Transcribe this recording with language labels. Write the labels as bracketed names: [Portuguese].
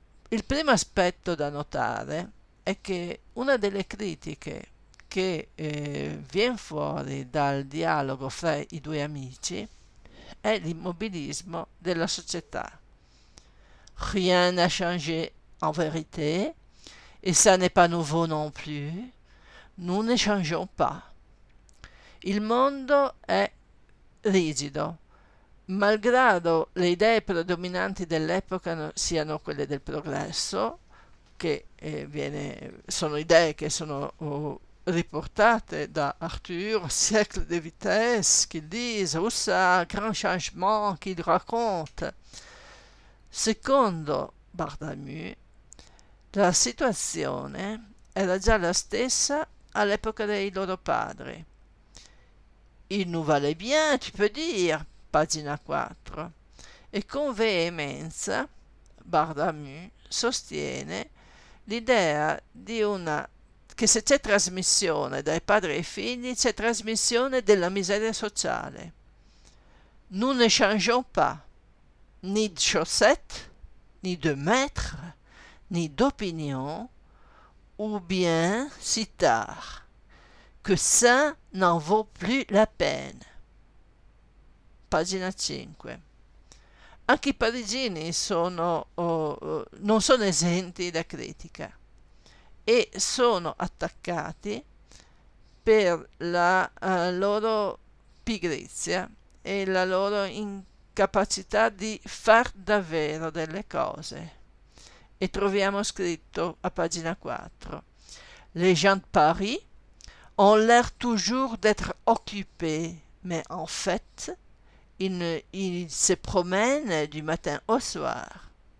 [Italian] Il primo aspetto da notare è che una delle critiche che viene fuori dal dialogo fra i due amici è l'immobilismo della società. [French] Rien n'a changé. En vérité, et ça n'est pas nouveau non plus, nous ne changeons pas. [Italian] Il mondo è rigido, malgrado le idee predominanti dell'epoca siano quelle del progresso, che sono idee che sono riportate da Arthur, [French] Siècle de Vitesse, qu'il dise, [Italian] Husserl, [French] Grand Changement, qu'il raconte. [Italian] Secondo Bardamu, la situazione era già la stessa all'epoca dei loro padri. [French] Il nous va bien, tu peux dire, [Italian] pagina 4. E con veemenza Bardamu sostiene l'idea di una che se c'è trasmissione dai padri ai figli, c'è trasmissione della miseria sociale. [French] Nous ne changeons pas, ni de chaussettes, ni de maîtres. Ni d'opinion, ou bien si tard, que ça n'en vaut plus la peine. [Italian] Pagina 5. Anche i parigini non sono esenti da critica e sono attaccati per la loro pigrizia e la loro incapacità di far davvero delle cose. E troviamo scritto a pagina 4: [French] Les gens de Paris ont l'air toujours d'être occupés, mais en fait, ils se promènent du matin au soir.